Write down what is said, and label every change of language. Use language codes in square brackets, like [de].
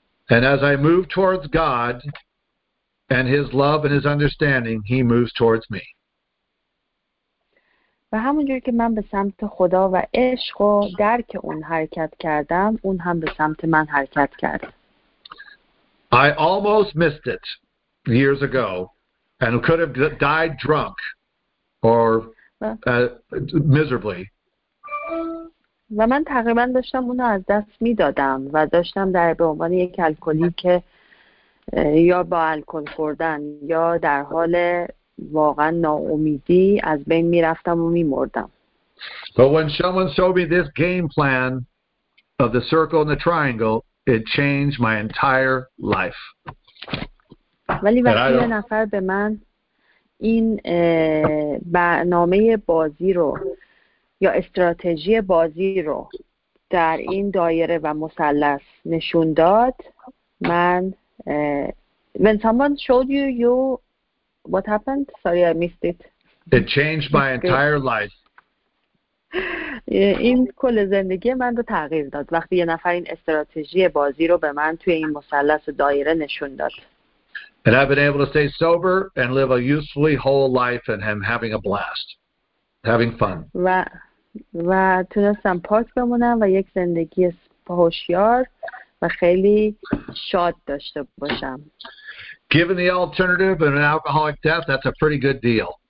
[en] And as I move towards God and his love and his understanding, he moves towards me. [fa] و همونجوری که من به سمت خدا و عشق و درک اون حرکت کردم، اون هم به سمت من حرکت کرد. [en] I almost missed it years ago and could have died drunk or miserably. [fa] و من تقریبا داشتم اونو از دست میدادم و داشتم در به عنوان یک الکلی که یا با الکل خوردن یا در حال واقعا ناامیدی از بین میرفتم و میمردم. [en] But when someone showed me this game plan of the circle and the triangle, it changed my entire life. [fa] ولی وقتی یه نفر به من این برنامه بازی رو یا استراتژی بازی رو در این دایره و مثلث نشون داد، من [en] when someone showed you what happened? Sorry, I missed it. It changed my entire life. [fa] این کل زندگی من رو تغییر داد وقتی یه نفر این استراتژی بازی رو به من توی این مثلث و دایره نشون داد. [en] And I've been able to stay sober and live a usefully whole life and I'm having a blast. Having fun. [fa] و تونستم پاک بمونم و یک زندگی هوشیار و خیلی شاد داشته باشم. [en] Given the alternative and an alcoholic death, that's a pretty good deal.